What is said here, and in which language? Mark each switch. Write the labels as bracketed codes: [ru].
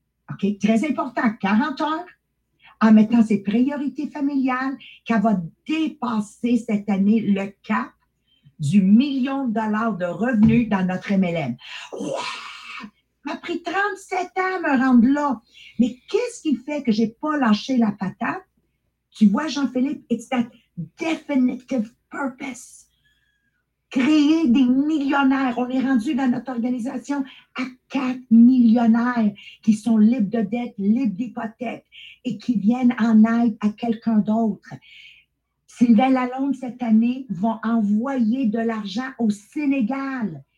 [fr] OK, très important, 40 heures. En mettant ses priorités familiales, qu'elle va dépasser cette année le cap du million de dollars de revenus dans notre MLM. Wow! M'a pris 37 ans à me rendre là. Mais qu'est-ce qui fait que j'ai pas lâché la patate? Tu vois, [en] Jean-Philippe, it's that definitive purpose. [fr] Créer des millionnaires. On est rendu dans notre organisation à 4 millionnaires qui sont libres de dettes, libres d'hypothèques et qui viennent en aide à quelqu'un d'autre. Sylvain Lalonde, cette année, vont envoyer de l'argent au Sénégal.